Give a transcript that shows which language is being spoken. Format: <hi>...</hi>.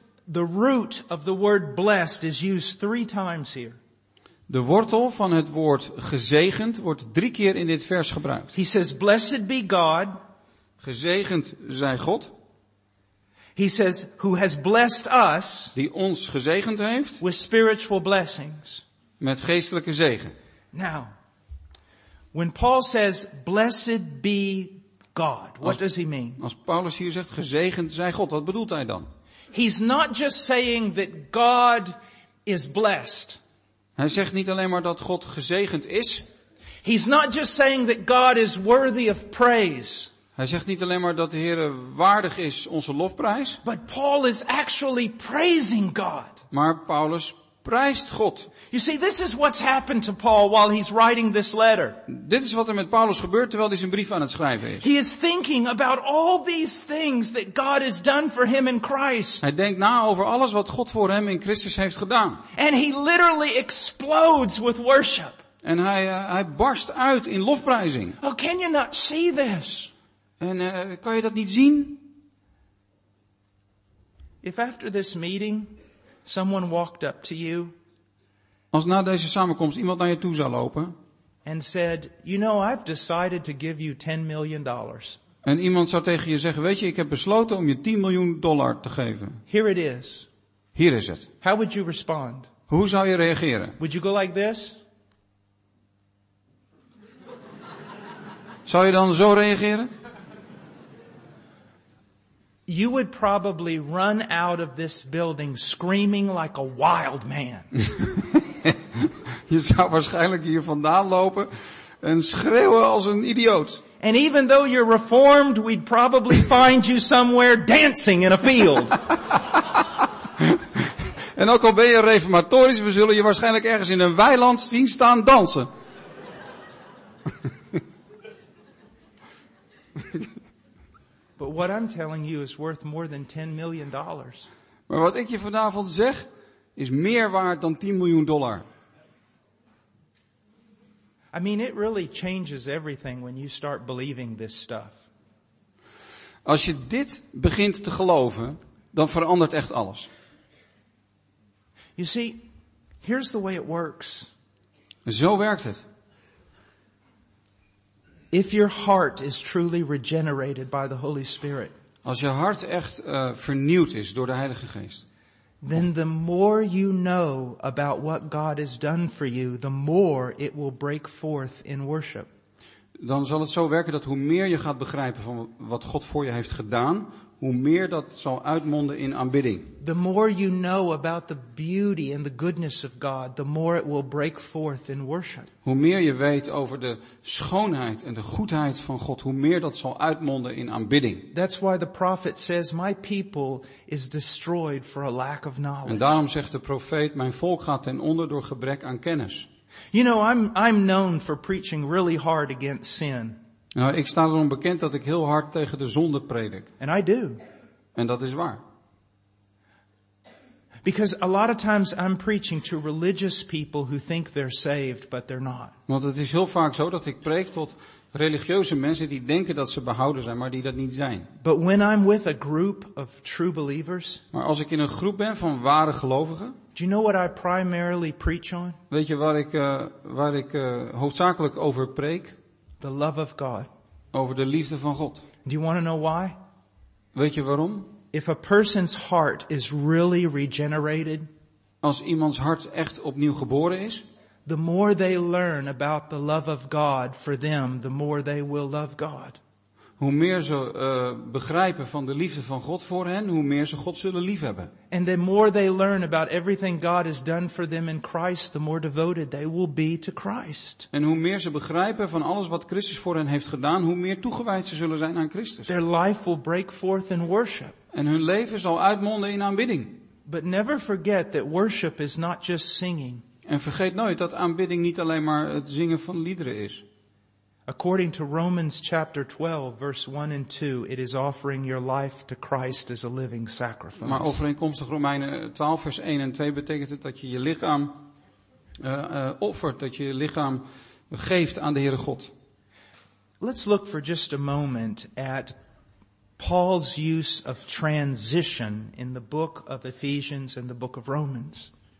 <en>The root of the word blessed is used 3 times here.</en> <nl>De wortel van het woord gezegend wordt 3 keer in dit vers gebruikt.</nl> <en>He says, blessed be God.</en> <nl>Gezegend zij God.</nl> <en>He says, who has blessed us.</en> <nl>Die ons gezegend heeft.</nl> <en>With spiritual blessings.</en> <nl>Met geestelijke zegen.</nl> <en>Now, when Paul says, blessed be God, what does he mean?</en> <nl>Als Paulus hier zegt, gezegend zij God, wat bedoelt hij dan?</nl> <en>He's not just saying that God is blessed.</en> <nl>Hij zegt niet alleen maar dat God gezegend is.</nl> <en>He's not just saying that God is worthy of praise.</en> <nl>Hij zegt niet alleen maar dat de Heere waardig is onze lofprijs.</nl> <en>But Paul is actually praising God.</en> <nl>Maar Paulus prijst God.</nl> <en>You see, this is what's happened to Paul while he's writing this letter.</en> <nl>Dit is wat er met Paulus gebeurt terwijl hij zijn brief aan het schrijven is.</nl> <en>He is thinking about all these things that God has done for him in Christ.</en> <nl>Hij denkt na over alles wat God voor hem in Christus heeft gedaan.</nl> <en>And he literally explodes with worship.</en> <nl>En hij barst uit in lofprijzing.</nl> <en>Oh, can you not see this?</en> <nl>En kan je dat niet zien?</nl> <en>If after this meeting someone walked up to you.</en> <nl>Als na deze samenkomst iemand naar je toe zou lopen.</nl> <en>And said, you know, I've decided to give you $10 million.</en> <nl>En iemand zou tegen je zeggen, weet je, ik heb besloten om je $10 million te geven.</nl> <en>Here it is.</en> <nl>Hier is het.</nl> <en>How would you respond?</en> <nl>Hoe zou je reageren?</nl> <en>Would you go like this?</en> <nl>Zou je dan zo reageren?</nl> <en>You would probably run out of this building screaming like a wild man.</en> <nl>Je zou waarschijnlijk hier vandaan lopen en schreeuwen als een idioot.</nl> <en>And even though you're reformed, we'd probably find you somewhere dancing in a field.</en> <nl>En ook al ben je reformatorisch, we zullen je waarschijnlijk ergens in een weiland zien staan dansen.</nl> <en>But what I'm telling you is worth more than $10 million.</en> <nl>Maar wat ik je vanavond zeg is meer waard dan $10 million.</nl> <en>I mean, it really changes everything when you start believing this stuff.</en> <nl>Als je dit begint te geloven, dan verandert echt alles.</nl> <en>You see, here's the way it works.</en> <nl>Zo werkt het.</nl> <en>If your heart is truly regenerated by the Holy Spirit.</en> <nl>Als je hart echt vernieuwd is door de Heilige Geest.</nl> <en>Then the more you know about what God has done for you, the more it will break forth in worship.</en> <nl>Dan zal het zo werken dat hoe meer je gaat begrijpen van wat God voor je heeft gedaan, hoe meer dat zal uitmonden in aanbidding.</nl> <en>The more you know about the beauty and the goodness of God, the more it will break forth in worship.</en> <nl>Hoe meer je weet over de schoonheid en de goedheid van God, hoe meer dat zal uitmonden in aanbidding.</nl> <en>That's why the prophet says, my people is destroyed for a lack of knowledge.</en> <nl>En daarom zegt de profeet, mijn volk gaat ten onder door gebrek aan kennis.</nl> <en>You know, I'm known for preaching really hard against sin.</en> <nl>Nou, ik sta erom bekend dat ik heel hard tegen de zonde predik.</nl> <en>And I do.</en> <nl>En dat is waar.</nl> <en>Because a lot of times I'm preaching to religious people who think they're saved, but they're not.</en> <nl>Want het is heel vaak zo dat ik preek tot religieuze mensen die denken dat ze behouden zijn, maar die dat niet zijn.</nl> <en>But when I'm with a group of true believers,</en> <nl>maar als ik in een groep ben van ware gelovigen,</nl> <en>do you know what I primarily preach on?</en> <nl>Weet je waar ik hoofdzakelijk over preek?</nl> <en>The love of God.</en> <nl>Over de liefde van God.</nl> <en>Do you want to know why?</en> <nl>Weet je waarom?</nl> <en>If a person's heart is really regenerated,</en> <nl>als iemands hart echt opnieuw geboren is,</nl> <en>the more they learn about the love of God for them, the more they will love God.</en> <nl>Hoe meer ze begrijpen van de liefde van God voor hen, hoe meer ze God zullen liefhebben.</nl> <en>And the more they learn about everything God has done for them in Christ, the more devoted they will be to Christ.</en> <nl>En hoe meer ze begrijpen van alles wat Christus voor hen heeft gedaan, hoe meer toegewijd ze zullen zijn aan Christus.</nl> <en>Their life will break forth in worship.</en> <nl>En hun leven zal uitmonden in aanbidding.</nl> <en>But never forget that worship is not just singing.</en> <nl>En vergeet nooit dat aanbidding niet alleen maar het zingen van liederen is.</nl> <en>According to Romans chapter 12, verse 1 and 2, it is offering your life to Christ as a living sacrifice.</en> <nl>Maar overeenkomstig Romeinen 12, vers 1 en 2 betekent het dat je je lichaam offert, dat je je lichaam geeft aan de Heere God.</nl> <en>Let's look for just a moment at Paul's use of transition in the book of Ephesians and the book of Romans.</en>